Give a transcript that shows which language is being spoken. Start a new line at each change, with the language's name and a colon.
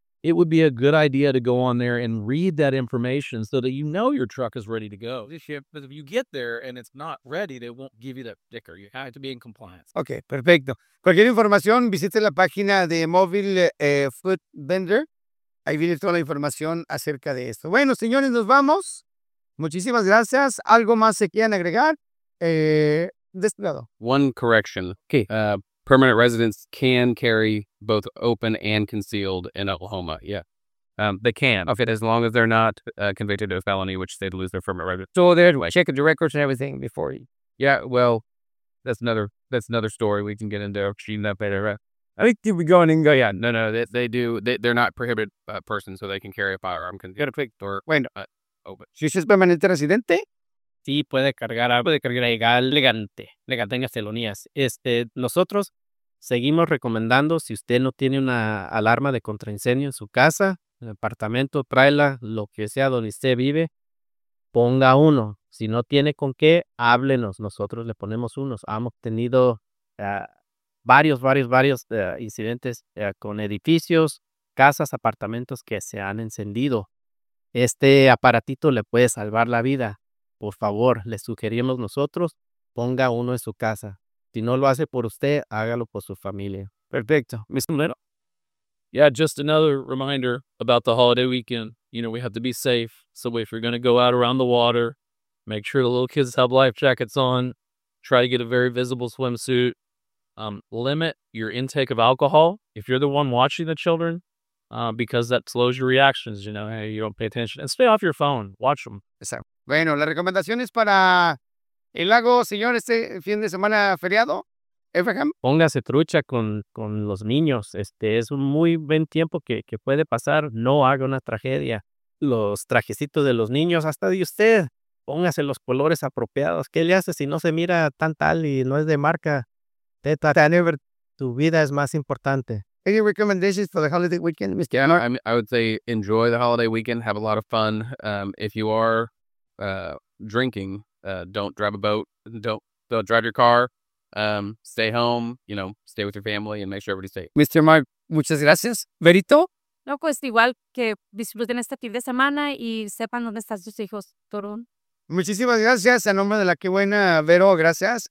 English: it would be a good idea to go on there and read that information so that you know your truck is ready to go. Because if you get there and it's not ready, they won't give you that sticker. You have to be in compliance.
Spanish: Okay, perfecto. Cualquier información, visite la página de Móvil Food Vendor. Ahí viene toda la información acerca de esto. Bueno, señores, nos vamos. Muchísimas gracias. ¿Algo más se quieran agregar? De este lado.
English: One correction.
Spanish: ¿Qué?
English: Permanent residents can carry both open and concealed in Oklahoma. Yeah. They can. Okay, as long as they're not convicted of a felony, which they'd lose their permanent residence. So there's a check of the records and everything before you. Yeah, well, that's another story we can get into. Actually, that better. I think we go on and go. Yeah, no, they do. They're not prohibited persons, so they can carry a firearm. Got a quick door.
Spanish: Bueno, open. Si es permanente residente. Sí, puede cargar legal, elegante, legal, tenga felonías. Nosotros seguimos recomendando, si usted no tiene una alarma de contraincendio en su casa, en el apartamento, tráela, lo que sea donde usted vive, ponga uno. Si no tiene con qué, háblenos, nosotros le ponemos unos. Hemos tenido varios incidentes con edificios, casas, apartamentos que se han encendido. Este aparatito le puede salvar la vida. Por favor, le sugerimos nosotros, ponga uno en su casa. Si no lo hace por usted, hágalo por su familia. Perfecto. Mr. Little.
English: Yeah, just another reminder about the holiday weekend. You know, we have to be safe. So if you're going to go out around the water, make sure the little kids have life jackets on. Try to get a very visible swimsuit. Limit your intake of alcohol if you're the one watching the children. Because that slows your reactions, you know, hey, you don't pay attention. And stay off your phone. Watch them.
Spanish: Exacto. Bueno, la recomendación es para el lago, señor, este fin de semana feriado. Abraham. Póngase trucha con los niños. Es un muy buen tiempo que puede pasar. No haga una tragedia. Los trajecitos de los niños, hasta de usted, póngase los colores apropiados. ¿Qué le hace si no se mira tan tal y no es de marca? Tu vida es más importante.
English: Any recommendations for the holiday weekend, Mr. Yeah, Mark? I would say enjoy the holiday weekend. Have a lot of fun. If you are drinking, don't drive a boat. Don't drive your car. Stay home. You know, stay with your family and make sure everybody's safe.
Spanish: Mr. Mark, muchas gracias. Verito? No, pues igual que disfruten este fin de semana y sepan dónde están sus hijos, Torun. Muchísimas gracias. En nombre de la que buena, Vero, gracias.